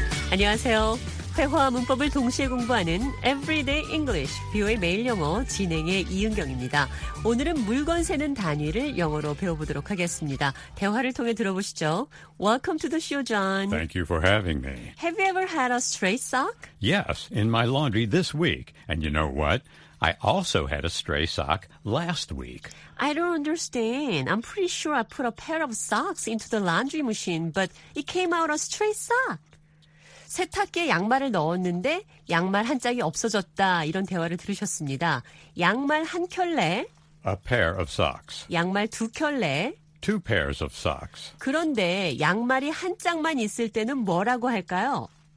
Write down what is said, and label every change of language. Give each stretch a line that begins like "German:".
Korean: 안녕하세요. 회화 문법을 동시에 공부하는 Everyday English, 뷰의 매일 영어 진행의 이은경입니다. 오늘은 물건 세는 단위를 영어로 배워보도록 하겠습니다. 대화를 통해 들어보시죠.
English: Welcome to the show, John. Thank you for having me. Have you ever had a stray sock? Yes, in my laundry this week. And you know what? I also had a stray sock last week. I don't understand. I'm pretty sure I put a pair of socks into the laundry machine, but it came out a stray sock.
Korean: 세탁기에 양말을 넣었는데 양말 한 짝이 없어졌다. 이런 대화를 들으셨습니다. 양말 한 켤레.
English: A pair of socks.
Korean: 양말 두 켤레.
English: Two pairs of socks.
Korean: 그런데 양말이 한 짝만 있을 때는 뭐라고 할까요?